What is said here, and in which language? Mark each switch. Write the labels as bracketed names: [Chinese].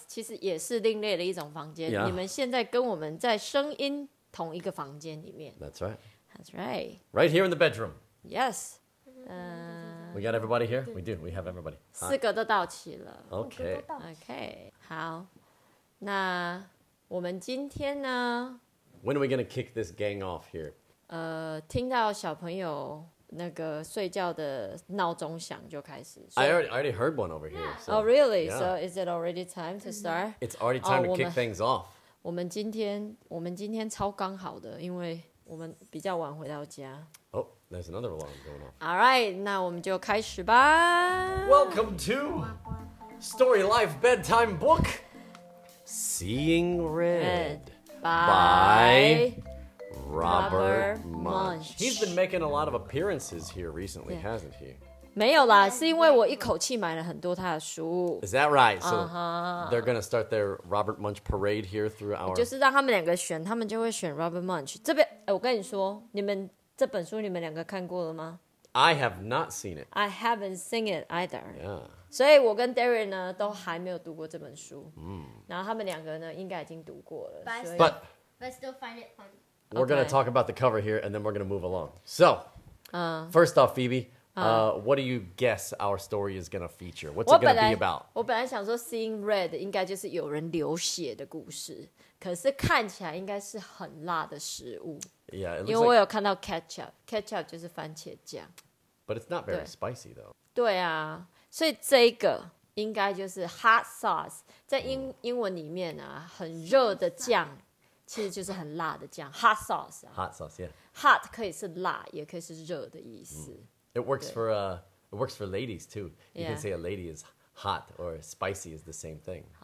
[Chinese] 其实也是另类的一种房间。 [English] Yeah. [Chinese] 你们现在跟我们在声音同一个房间里面。 [English] That's right. That's right. Right here in the bedroom. Yes. We got everybody here? We do. We have everybody. [Chinese] 四个都到齐了。 [English] Okay. Okay. [Chinese] 好，那我们今天呢？ [English] When are we going to kick this gang off here? [Chinese] 听到小朋友那个睡觉的闹钟响就开始。 [English] I already heard one over here. So, oh, really? Yeah. So is it already time to start? It's already time to kick things off. [Chinese] 我们今天超刚好的，因为我们比较晚回到家。 [English] Oh, there's another alarm going off. All right, [Chinese] 那我们就开始吧。 [English] Welcome to Story Life Bedtime Book, Seeing Red. By Robert Munsch. He's been making a lot of appearances here recently, yeah. hasn't he? [Chinese] 没有啦，是因为我一口气买了很多他的书。 [English] Is that right? So、uh-huh. they're going to start their Robert Munsch parade here through our... [Chinese] 就是让他们两个选，他们就会选 Robert Munsch. 这边，我跟你说，你们这本书你们两个看过了吗？ [English] I have not seen it. I haven't seen it either. Yeah. [Chinese] 所以我跟 Darren 呢都还没有读过这本书、嗯、然后他们两个呢应该已经读过了 [English] but still find it fun. We're、okay. going to talk about the cover here and then we're going to move along. So,、first off, Phoebe,、what do you guess our story is going to feature? What's it going to be about? [Chinese] 我本来想说 Seeing Red 应该就是有人流血的故事，可是看起来应该是很辣的食物。 [English] Yeah, [Chinese] 因为我有看到 ketchup 就是番茄酱。 [English] But it's not very spicy though. [Chinese] 对啊，所以这个应该就是 hot sauce， 在 英文里面啊，很热的酱，其实就是很辣的酱 ，hot sauce、啊。 [English] hot sauce， yeah。 [Chinese] hot 可以是辣，也可以是热的意思。 [English] Mm. It works for it works for ladies too. You、 yeah. can say a lady is hot or spicy is the same thing.